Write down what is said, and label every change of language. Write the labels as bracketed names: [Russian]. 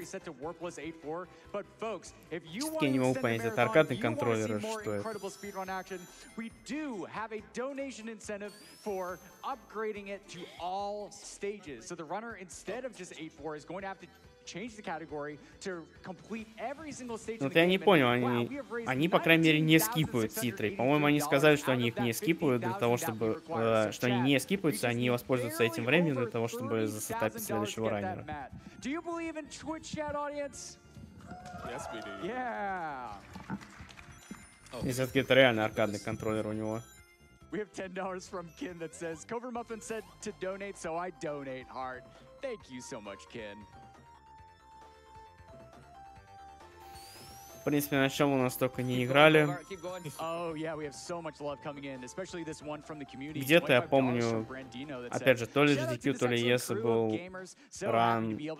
[Russian] Все-таки я не могу понять, это аркадный контроллер, что это? [English] For upgrading it to all stages. So the runner, instead of just 8-4, is going to have to change the category to complete every single stage. [Russian] Вот я не понял, они по крайней мере не скипают титры. По-моему, они сказали, что они их не скипают для того, чтобы что они не скипаются, они воспользуются этим временем для того, чтобы засетапить следующего раннера. [English] Do you believe in Twitch chat audience? Yes, we do. Yeah. [Russian] И все-таки это реально аркадный контроллер у него. [English] We have $10 from Ken that says, Cover Muffin said to donate, so I donate hard. Thank you so much, Ken. [Russian] В принципе, на чем у нас только не играли. [English] Oh, yeah, we have so much love coming in, especially this one from the community. [Russian] Где-то я помню, опять же, то ли GDQ, то ли ES был ран.